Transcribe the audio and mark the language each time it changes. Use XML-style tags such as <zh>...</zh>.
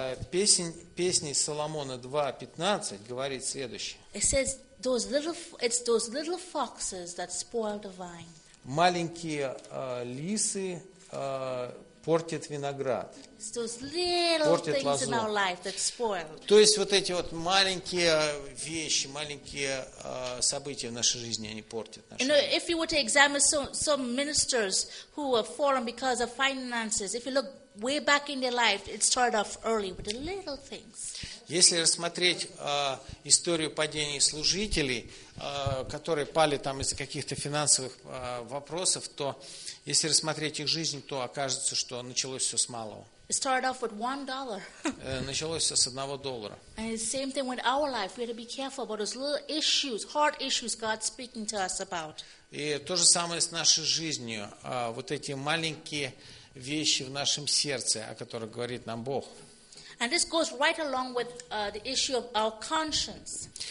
<ru>Песни Соломона 2:15 говорит следующее.</ru> <en>It says it's those little foxes that spoil the vine.</en> <ru>Маленькие лисы портит виноград. Портит лозу. То есть вот эти вот маленькие вещи, маленькие события в нашей жизни, они портят нашу жизнь.</ru> <en>You know, if you were to examine some ministers who have fallen because of finances, if you look way back in their life, it started off early with the little things.</en> <ru>Если рассмотреть историю падений служителей, которые пали там из-за каких-то финансовых вопросов, то если рассмотреть их жизнь, то окажется, что началось все с малого.</ru> <en>It started off with $1.</en> <ru>Началось все с $1.</ru> <en>And the same thing with our life. We have to be careful about those little issues, hard issues God's speaking to us about.</en> <ru>И то же самое с нашей жизнью. Вот эти маленькие вещи в нашем сердце, о которых говорит нам Бог.</ru> <en>And this goes right along with the issue of our conscience.</en>